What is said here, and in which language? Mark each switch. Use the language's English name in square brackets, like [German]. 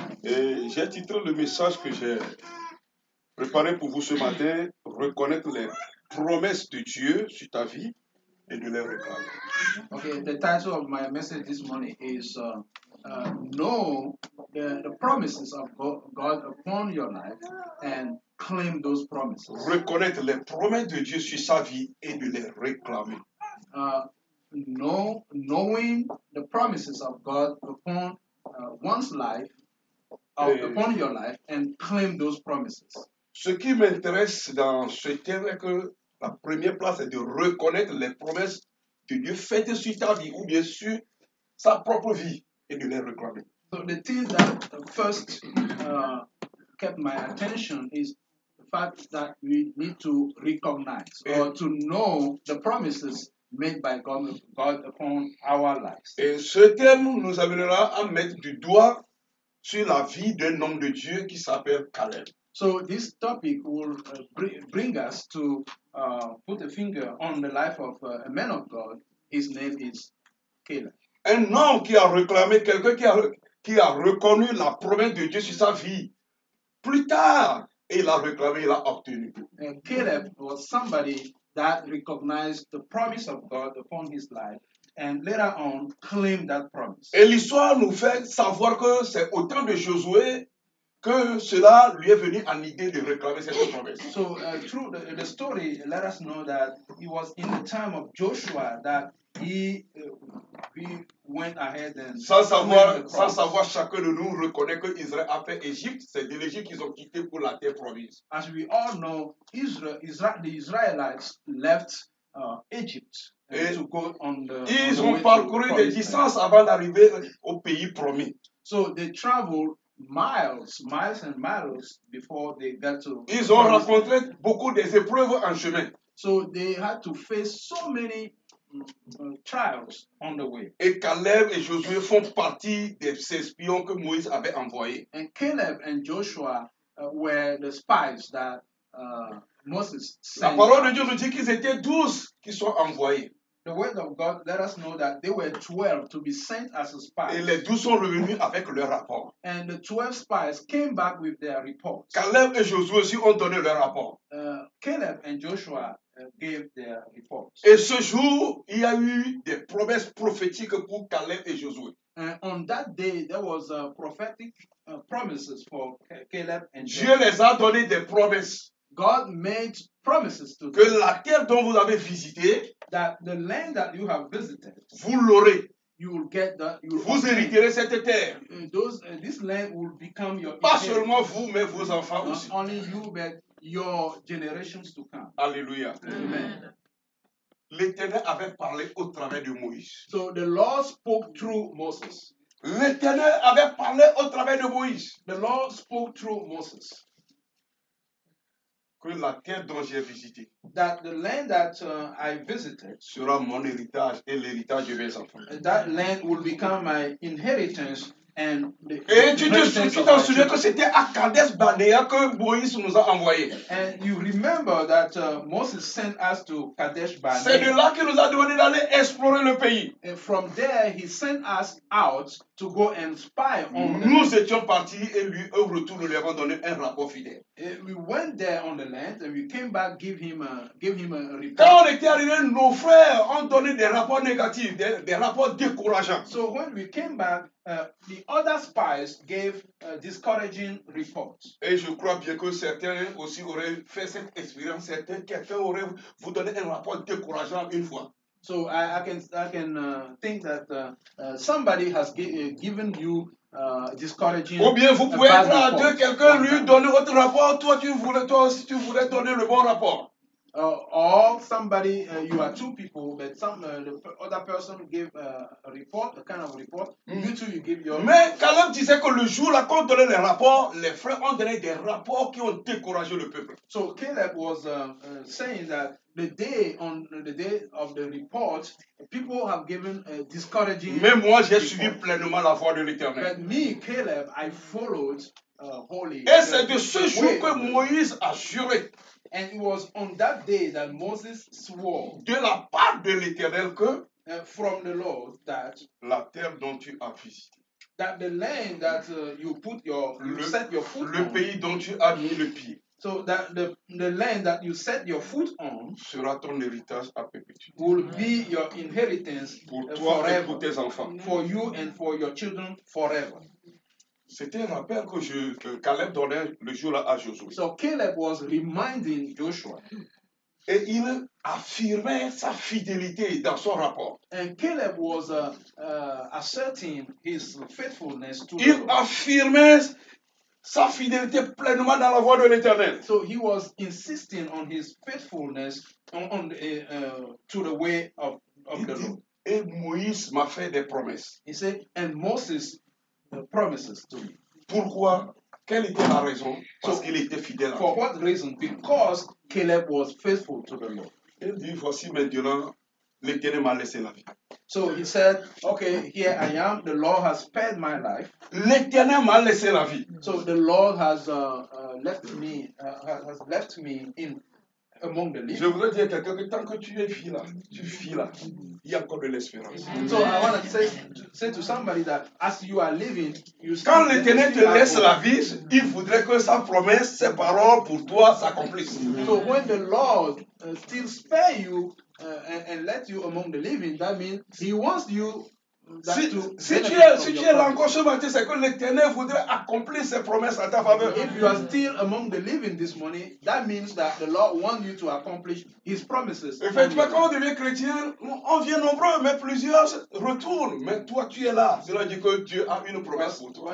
[French] Et j'ai titré le message que j'ai préparé pour vous ce matin, reconnaître les promesses de Dieu sur ta vie et de les reconnaître. [English] Okay, the title of my message this morning is Know the promises of God upon your life and claim those promises. [French] Reconnaître les promesses de Dieu sur sa vie et de les réclamer. [English] Knowing the promises of God upon one's life, upon your life, and claim those promises. [French] Ce qui m'intéresse dans ce thème est que la première place est de reconnaître les promesses que Dieu fait sur ta vie ou bien sur sa propre vie et de les réclamer. [English] So the thing that first kept my attention is the fact that we need to recognize or to know the promises made by God upon our lives. [French] Et ce thème nous amènera à mettre du doigt sur la vie d'un homme de Dieu qui s'appelle Caleb. [English] So this topic will bring us to put a finger on the life of a man of God. His name is Caleb. [French] Un homme qui a réclamé, quelqu'un qui a reconnu la promesse de Dieu sur sa vie. Plus tard, il l'a réclamé, il l'a obtenu. [English] And Caleb was somebody that recognized the promise of God upon his life and later on claimed that promise. [French] Et l'histoire nous fait savoir que c'est au temps de Josué que cela lui est venu en idée de réclamer cette promesse. [English] So through the story, let us know that it was in the time of Joshua that he went ahead and [French] sans savoir chacun de nous reconnaît que Israël a fait Égypte, c'est de l'Égypte qu'ils ont quitté pour la terre promise. [English] As we all know, the Israelites left Egypt to go on the [French] ils ont parcouru des distances avant d'arriver au pays promis. [English] So they traveled miles and miles before they got to [French] ils ont rencontré beaucoup des épreuves en chemin. [English] So they had to face so many trials on the way. [French] Et Caleb et Josué font partie des espions que Moïse avait envoyés. [English] And Caleb and Joshua were the spies that Moses sent. [French] La parole de Dieu nous dit qu'ils étaient 12 qui sont envoyés. [English] The word of God let us know that they were 12 to be sent as a spy. [French] Et les 12 sont revenus avec leur rapport. [English] And the 12 spies came back with their report. [French] Caleb et Josué aussi ont donné leur rapport. [English] Caleb and Joshua gave their report. [French] Et ce jour, il y a eu des promesses prophétiques pour Caleb et Josué. [English] On that day, there was prophetic promises for Caleb and [French] Josué. Dieu les a donné des promesses. [English] God made promises to [French] que la terre dont vous avez visité, [English] that the land that you have visited, [French] vous l'aurez. [English] You will get that. You will [French] vous hériterez cette terre. [English] This land will become your. [French] Pas seulement vous, mais vos enfants [English] not [French] aussi. [English] Not only you, but your generations to come. [French] Alléluia. [English] Amen. [French] L'Éternel avait parlé au travers de Moïse. [English] So the Lord spoke through Moses. [French] L'Éternel avait parlé au travers de Moïse. [English] The Lord spoke through Moses. [French] Que la terre dont j'ai visité. [English] That the land that I visited. [French] Sera mon héritage et l'héritage de mes enfants. [English] That land will become my inheritance and the. [French] Et tu t'en souviens que c'était à Kadesh-Barnéa que Moïse nous a envoyé. [English] And you remember that Moses sent us to Kadesh-Barnéa. [French] C'est de là qu'il nous a demandé d'aller explorer le pays. [English] And from there he sent us out to go and spy on. [French] Nous étions partis et lui au retour nous lui avons donné un rapport fidèle. [English] We went there on the land and we came back give him a report. [French] Quand on était arrivé, nos frères ont donné des rapports négatifs, des rapports décourageants. [English] So when we came back, the other spies gave discouraging reports. [French] Et je crois bien que certains aussi auraient fait cette expérience. Certains quelqu'un aurait vous donné un rapport décourageant une fois. [English] So I can think that somebody has given you discouraging. [French] Ou bien vous pouvez être à deux, quelqu'un lui donner votre rapport, toi aussi tu voulais donner le bon rapport. [English] You are two people, but the other person gave a report, a kind of report. Mm. You two, you give your. [French] Mais Caleb disait que le jour là qu'on donnait les rapports, les frères ont donné des rapports qui ont découragé le peuple. [English] So Caleb was saying that the day of the report, people have given a discouraging. [French] Mais moi, j'ai report. Suivi pleinement la voix de l'Éternel. [English] But me, Caleb, I followed holy. [French] Et c'est de ce jour que Moïse a juré. [English] And it was on that day that Moses swore [French] de la part de l'Éternel que [English] from the Lord that [French] la terre dont tu as visité [English] that the land that you put your le, you set your foot [French] le [English] on, [French] pays dont tu as mis le pied [English] so that the land that you set your foot on [French] sera ton héritage à perpétuité [English] will be your inheritance [French] pour toi [English] forever, [French] et pour tes enfants [English] for you and for your children forever. [French] C'était un rappel que Caleb donnait le jour-là à Josué. [English] So Caleb was reminding Joshua. [French] Et il affirmait sa fidélité dans son rapport. [English] And Caleb was asserting his faithfulness to. [French] Il affirmait sa fidélité pleinement dans la voie de l'Éternel. [English] So he was insisting on his faithfulness to the way of the Lord. [French] Et Moïse m'a fait des promesses. [English] He said, and Moses. The promises to me. [French] Pourquoi? Quelle était la raison? Parce qu'il était fidèle. [English] For what reason? Because Caleb was faithful to the Lord. [French] Il dit, voici maintenant, l'Éternel m'a laissé la vie. [English] So he said, okay, here I am. The Lord has spared my life. [French] L'Éternel m'a laissé la vie. [English] So the Lord has left me in among the living. [French] Je voudrais dire quelque chose que tant que tu vis là, il y a encore de l'espérance. [English] So I want to say to somebody that as you are living, you [French] quand l'Éternel te laisse la vie, il voudrait que sa promesse, ses paroles pour toi s'accomplissent. [English] So when the Lord still spare you and let you among the living, that means he wants you. [French] Si tu es là encore ce matin, c'est que l'Éternel voudrait accomplir ses promesses à ta faveur. [English] If you are still among the living this morning, that means that the Lord wants you to accomplish His promises. [French] Effectivement, quand on devient chrétien, on vient nombreux, mais plusieurs retournent. Mais toi, tu es là. Cela dit que Dieu a une promesse pour toi.